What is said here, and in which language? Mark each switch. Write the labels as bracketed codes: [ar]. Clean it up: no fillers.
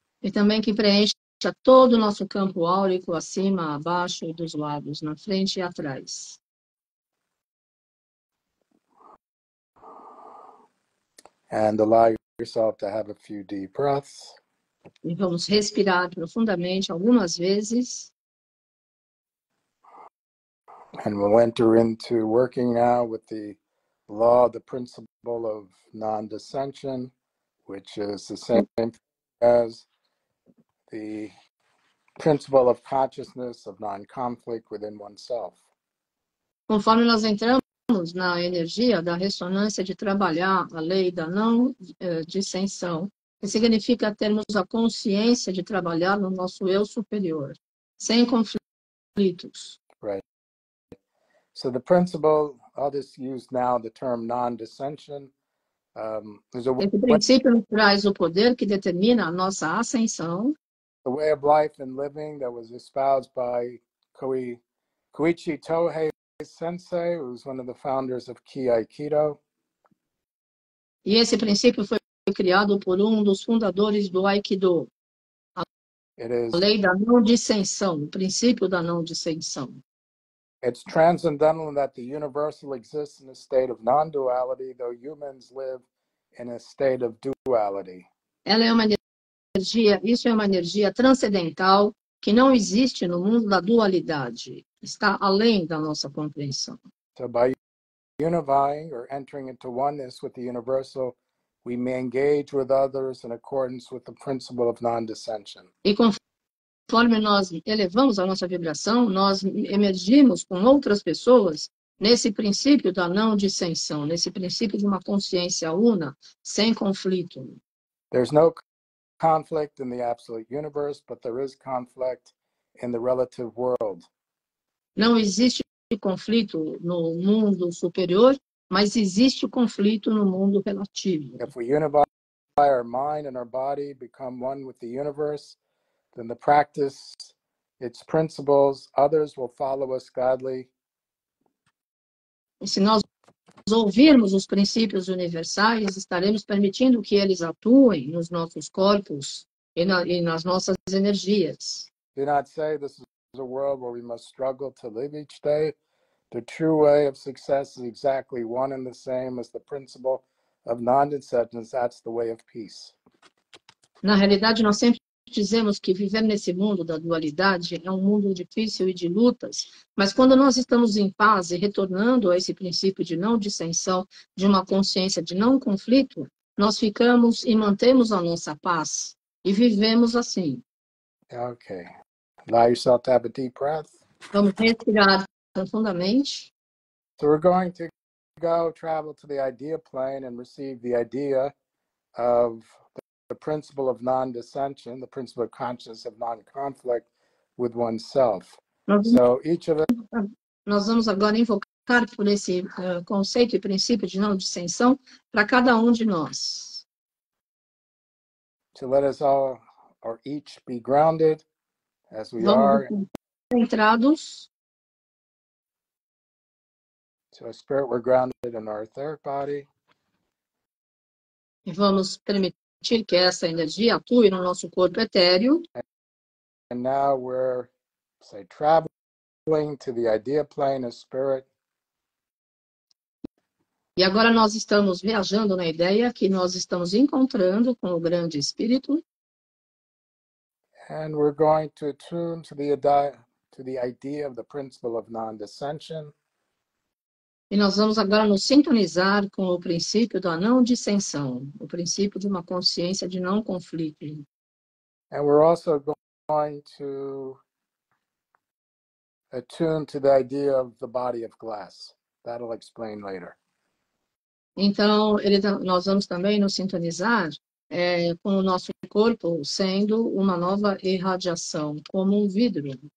[pt] E também que preencha todo o nosso campo áurico, acima, abaixo e dos lados, na frente e atrás. [en] And allow yourself to have a few deep breaths. [pt] E vamos respirar profundamente algumas vezes. [en] And we'll enter into working now with the law, the principle of non-dissension, which is the same as the principle of consciousness of non-conflict within oneself. [pt] Conforme nós entramos na energia da ressonância de trabalhar a lei da não-dissensão, que significa termos a consciência de trabalhar no nosso eu superior, sem conflitos. [en] Right. So the principle, I'll just use now the term non-dissension. [pt] Esse princípio nos traz o poder que determina a nossa ascensão. [en] The way of life and living that was espoused by Koichi Tohei Sensei, who was one of the founders of Ki Aikido. [pt] E esse princípio foi criado por um dos fundadores do Aikido, a lei da não dissensão, o princípio da não dissensão. [en] It's transcendental in that the universal exists in a state of non-duality, though humans live in a state of duality. [pt] Ela é uma energia, isso é uma energia transcendental que não existe no mundo da dualidade, está além da nossa compreensão. [en] So by unifying or entering into oneness with the universal We may engage with others in accordance with the principle of non-dissension. [pt] E conforme nós elevamos a nossa vibração, nós emergimos com outras pessoas nesse princípio da não dissensão, nesse princípio de uma consciência una, sem conflito. [en] There's no conflict in the absolute universe, but there is conflict in the relative world. [pt] Não existe conflito no mundo superior, mas existe conflito no mundo relativo. [en] If we unify our mind and our body, become one with the universe, then the practice, its principles, others will follow us gladly. [pt] E se nós ouvirmos os princípios universais, estaremos permitindo que eles atuem nos nossos corpos e nas nossas energias. [en] Do not say this is a world where we must struggle to live each day. The true way of success is exactly one and the same as the principle of non-dissension. That's the way of peace. [pt] Na realidade, nós sempre dizemos que viver nesse mundo da dualidade é um mundo difícil e de lutas, mas quando nós estamos em paz e retornando a esse princípio de não dissensão, de uma consciência de não conflito, nós ficamos e mantemos a nossa paz e vivemos assim. [en] Okay. Allow yourself to have a deep breath. [pt] Vamos respirar profundamente. [en] So we're going to go travel to the idea plane and receive the idea of the principle of non-dissension, the principle of consciousness of non-conflict with oneself. So each of us. [pt] Nós vamos agora invocar por esse conceito e princípio de não dissensão para cada de nós. [en] To let us all or each be grounded as we are. [pt] Centrados. [en] To our spirit, we're grounded in our etheric body. [pt] E vamos permitir que essa energia atue no nosso corpo etéreo. [en] And now we're, say, traveling to the idea plane of spirit. [pt] E agora nós estamos viajando na ideia que nós estamos encontrando com o grande espírito. [en] And we're going to attune to the idea of the principle of non-dissension. [pt] E nós vamos agora nos sintonizar com o princípio da não dissensão, o princípio de uma consciência de não conflito. [en] And we're also going to attune to the idea of the body of glass. That'll explain later. [pt] Então, ele, nós vamos também nos sintonizar com o nosso corpo sendo uma nova irradiação, como vidro.